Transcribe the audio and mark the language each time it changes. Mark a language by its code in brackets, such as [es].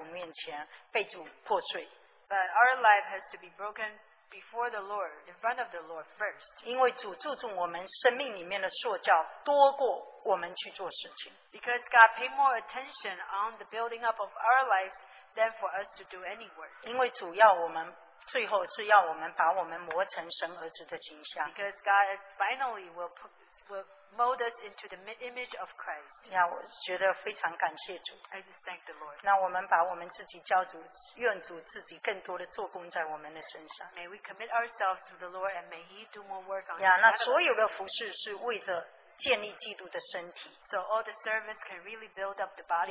[zh] 但是我想是我们生命要在主面前被主破碎。 [en] But our life has to be broken before the Lord, in front of the Lord first. [zh] 因为主注重我们生命里面的塑造多过我们去做事情。 [en] Because God paid more attention on the building up of our lives than for us to do any work. [zh] 因为主要我们最后是要我们把我们磨成神儿子的形象。 [en] Because God finally will mold us into the image of Christ. [zh] Yeah, 我觉得非常感谢主。 [en] I just thank the Lord. [zh] 那我们把我们自己交主，愿主自己更多的做工在我们的身上。 [en] May we commit ourselves to the Lord and may He do more work on us. [zh] Yeah, 那所有的服事是为着建立基督的身体。 [en] So all the service can really build up the body.